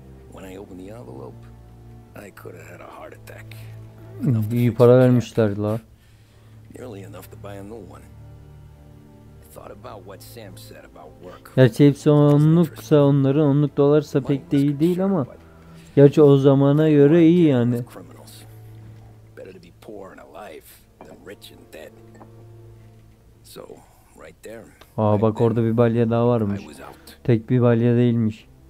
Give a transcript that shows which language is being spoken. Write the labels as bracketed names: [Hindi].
[English] When I opened the envelope, I could have had a heart attack. [Turkish] İyi para vermişler la. [English] Nearly enough to buy a new one. I thought about what Sam said about work. [Turkish] Gerçi hepsi onluksa onların, onluk dolarsa pek de iyi değil ama. Gerçi o zamana göre iyi yani. [English] Better to be poor and alive than rich and dead. So, right there. [Turkish] Aa bak orada bir balya daha varmış. Tek bir balya değilmiş.